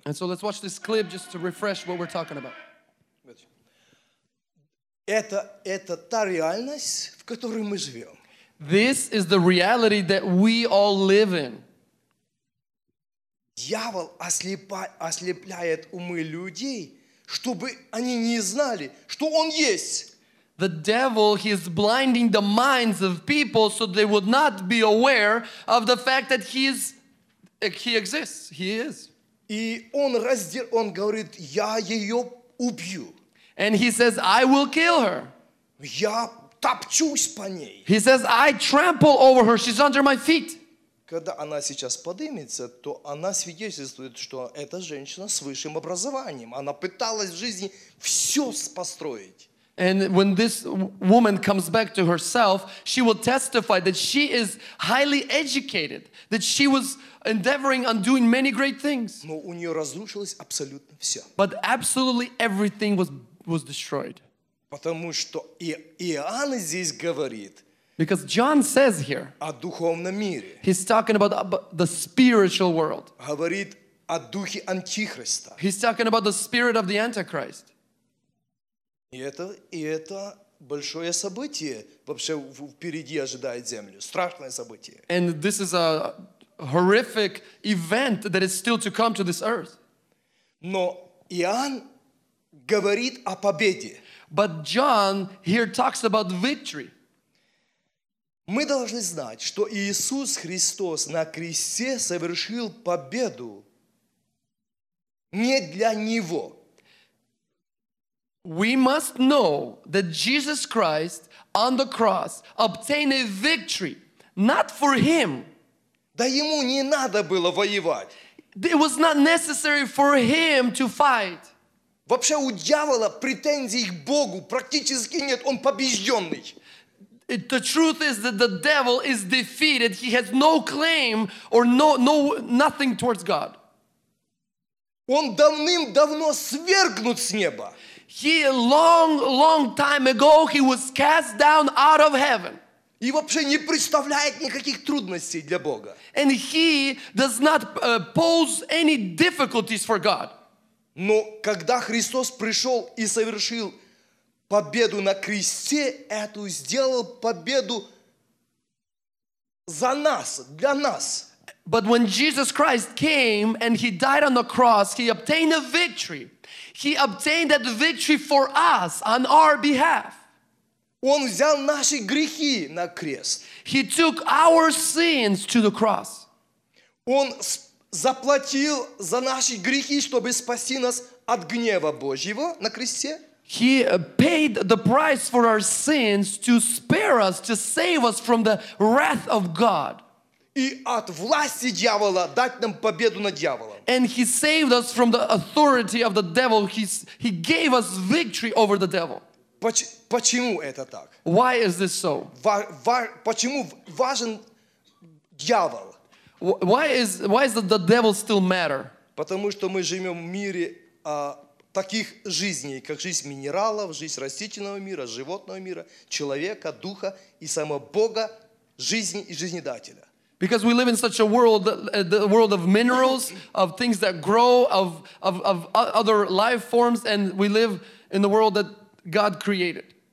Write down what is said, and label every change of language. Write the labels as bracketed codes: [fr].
[en] And so let's watch this clip just to refresh what we're talking about. [ru] Это та реальность, в которой мы живем. [en] This is the reality that we all live in. [ru] Дьявол ослепляет умы людей, чтобы они не знали, что он есть. [en] The devil, he is blinding the minds of people so they would not be aware of the fact that he exists. He is. [ru] И он раздер, он говорит, я ее убью. [en] And he says, I will kill her. [ru] Я топчусь по ней. [en] He says, I trample over her. She's under my feet. [ru] Когда она сейчас поднимется, то она свидетельствует, что эта женщина с высшим образованием. Она пыталась в жизни все построить. [en] And when this woman comes back to herself, she will testify that she is highly educated, that she was endeavoring on doing many great things. [ru] Но у нее разрушилось абсолютно все. [en] But absolutely everything was destroyed. [ru] Потому что Иоанн здесь говорит. [en] Because John says here, [ru] о духовном мире. [en] He's talking about the spiritual world. [ru] Говорит о духе Антихриста. [en] He's talking about the spirit of the Antichrist. [ru] И это большое событие вообще впереди ожидает землю. Страшное событие. [en] And this is a horrific event that is still to come to this earth. [ru] Но Иоанн говорит о победе. [en] But John here talks about victory. [ru] Мы должны знать, что Иисус Христос на кресте совершил победу не для Него. [en] We must know that Jesus Christ on the cross obtained a victory, not for him. [ru] Да ему не надо было воевать. [en] It was not necessary for him to fight. [ru] Вообще у дьявола претензий к Богу практически нет. Он побежденный. [en] The truth is that the devil is defeated. He has no claim or nothing towards God. [ru] Он давным-давно свергнут с неба. [en] He long time ago he was cast down out of heaven. [ru] И вообще не представляет никаких трудностей для Бога. [en] And he does not pose any difficulties for God. [ru] Но когда Христос пришел и совершил победу на кресте, эту сделал победу за нас, для нас. [en] But when Jesus Christ came and he died on the cross, he obtained a victory. He obtained that victory for us on our behalf. [ru] Он взял наши грехи на крест. [en] He took our sins to the cross. [ru] Он заплатил за наши грехи, чтобы спасти нас от гнева Божьего на кресте. [en] He paid the price for our sins to spare us, to save us from the wrath of God. [ru] И от власти дьявола дать нам победу над дьяволом. [en] And he saved us from the authority of the devil. He gave us victory over the devil. [ru] Почему это так? [en] Why is this so? [ru] Почему важен дьявол? [en] Why is the devil still matter? [ru] Потому что мы живем в мире таких жизней, как жизнь минералов, жизнь растительного мира, животного мира, человека, духа и самого Бога, жизни и жизнедателя. [en] Because we live in such a world, the world of minerals, of things that grow, of other life forms, and we live in the world that God created.